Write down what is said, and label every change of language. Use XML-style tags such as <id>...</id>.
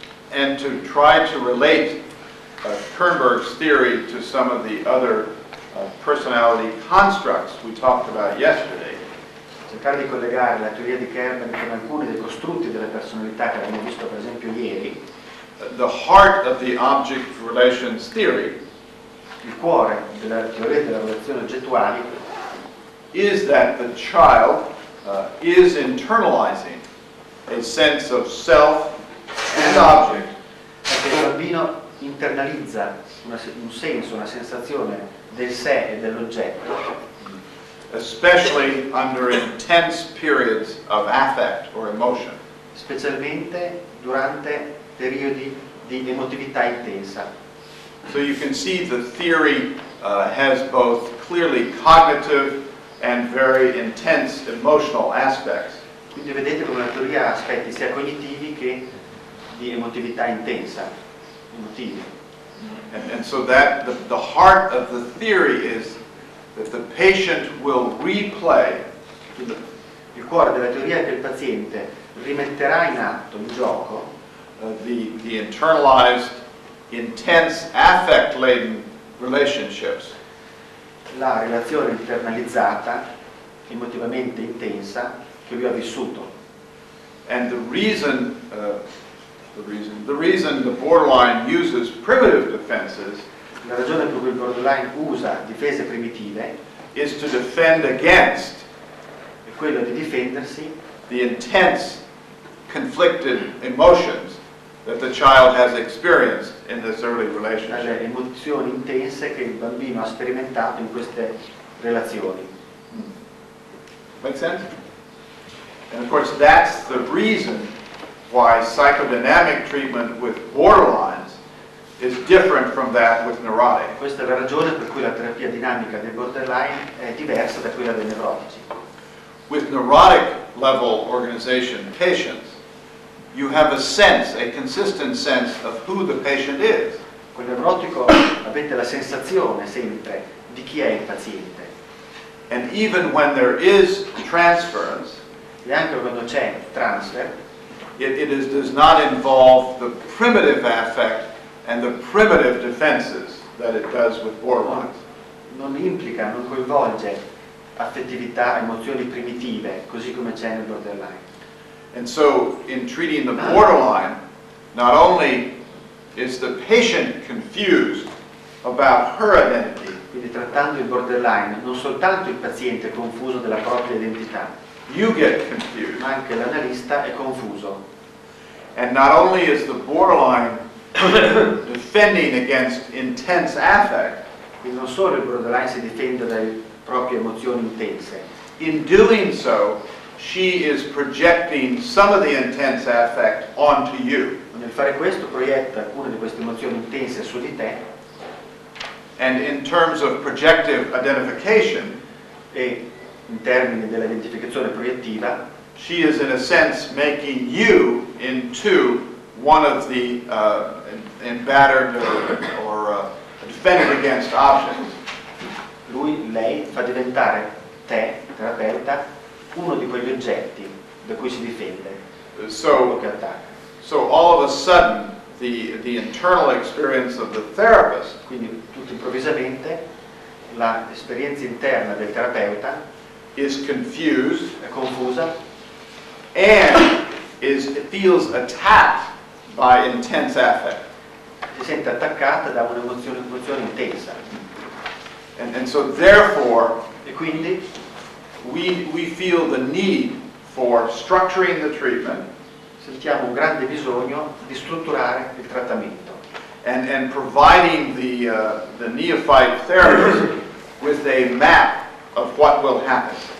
<en>And to try to relate Kernberg's theory to some of the other personality constructs we talked about yesterday.</en> <it>Cercare di collegare la teoria di Kernberg con alcuni dei costrutti della personalità che abbiamo visto per esempio ieri.</it> <en>The heart of the object relations theory,</en> <it>il cuore della teoria delle relazioni oggettuali,</it> <en>is that the child is internalizing a sense of self and object.</en> <it>È che il bambino internalizza un senso, una sensazione del sé e dell'oggetto.</it> <en>Especially under intense periods of affect or emotion.</en> <it>Specialmente durante periodi di emotività intensa.</it> <en>So you can see the theory has both clearly cognitive and very intense emotional aspects.</en> <it>Quindi vedete come la teoria ha aspetti sia cognitivi che di emotività intensa, emotivi.</it> <en>And so that the heart of the theory is that the patient will replay.</en> <it>Il cuore della teoria è che il paziente rimetterà in atto, in gioco,</it> <en>the internalized, intense, affect-laden relationships.</en> <it>La relazione internalizzata, emotivamente intensa, che lui ha vissuto.</it> <en>And the reason the borderline uses primitive defenses.</en> <it>La ragione per cui il borderline usa difese primitive</it> <en>is to defend against</en> <it>è quello di difendersi</it> <en>the intense conflicted emotions that the child has experienced in this early relationship.</en> <it>Le emozioni intense che il bambino ha sperimentato in queste relazioni.</it> <en>Make sense? And of course that's the reason why psychodynamic treatment with borderlines is different from that with neurotic.</en> <it>Questa è la ragione per cui la terapia dinamica dei borderline è diversa da quella dei neurotici.</it> <en>With neurotic level organization patients, you have a sense, a consistent sense of who the patient is.</en> <it>Con il neurotico avete la sensazione sempre di chi è il paziente.</it> <en>And even when there is transference,</en> <it>e anche quando c'è transfer,</it> <en>it does not involve the primitive affect and the primitive defenses that it does with borderlines.</en> <it>Non implica, non coinvolge affettività, emozioni primitive, così come c'è nel borderline.</it> <en>And so in treating the borderline, not only is the patient confused about her identity,</en> <it>quindi trattando il borderline, non soltanto il paziente è confuso della propria identità,</it> <en>you get confused,</en> <it>ma anche l'analista è confuso.</it> <en>And not only is the borderline defending against intense affect,</en> <it>quindi non solo il borderline si difende dalle proprie emozioni intense,</it> <en>in doing so she is projecting some of the intense affect onto you.</en> <it>Nel fare questo proietta alcune di queste emozioni intense su di te.</it> <en>And in terms of projective identification,</en> <it>e in termini dell'identificazione proiettiva,</it> <en>she is in a sense making you into one of the embattered or defended against options.</en> <it>Lui, lei, fa diventare te, terapeuta, uno di quegli oggetti da cui si difende.</it> <en>So all of a sudden the internal experience of the therapist,</en> <it>quindi tutto improvvisamente la esperienza interna del terapeuta</it> <en>is confused,</en> <it>è confusa,</it> <en>and is feels attacked by intense affect,</en> <it>si sente attaccata da un'emozione intensa.</it> <en>And so therefore,</en> <it>e quindi</it> <en>We feel the need for structuring the treatment.</en> <it>Sentiamo un grande bisogno di strutturare il trattamento.</it> <en>And providing the neophyte therapist with a map of what will happen.</en>